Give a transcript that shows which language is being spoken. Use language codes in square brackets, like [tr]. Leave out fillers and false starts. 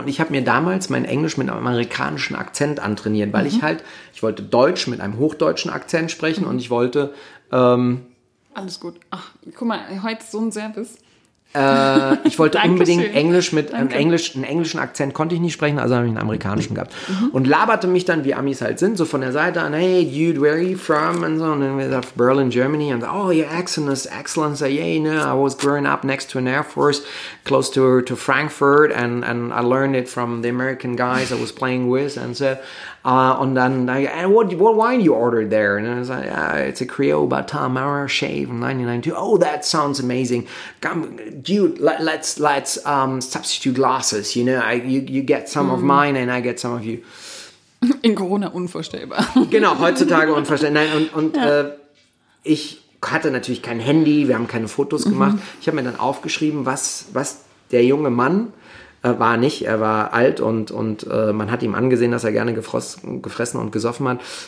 [de] Und ich habe mir damals mein Englisch mit einem amerikanischen Akzent antrainiert, weil ich wollte Deutsch mit einem hochdeutschen Akzent sprechen und ich wollte... Alles gut. Ach, guck mal, heute so ein Service... ich wollte unbedingt Englisch mit einen englischen Akzent konnte ich nicht sprechen, also habe ich einen amerikanischen gehabt und laberte mich dann, wie Amis halt sind, so von der Seite an, [en] hey, dude, where are you from? [de] Und so, und dann wir sagten, [en] Berlin, Germany, und oh, your accent is excellent, so, yeah, you know, I was growing up next to an Air Force, close to Frankfurt, and I learned it from the American guys I was playing with, and so, [de] und dann, [en] and what wine you ordered there? And I was like, it's a Creole Bâton Maraîcher from 1992, oh, that sounds amazing, come, dude, let's substitute glasses, you know, you get some of mine and I get some of you. [de] In Corona unvorstellbar. Genau, heutzutage unvorstellbar. Nein, ich hatte natürlich kein Handy, wir haben keine Fotos gemacht. Ich habe mir dann aufgeschrieben, was der junge Mann war nicht, er war alt und man hat ihm angesehen, dass er gerne gefressen und gesoffen hat.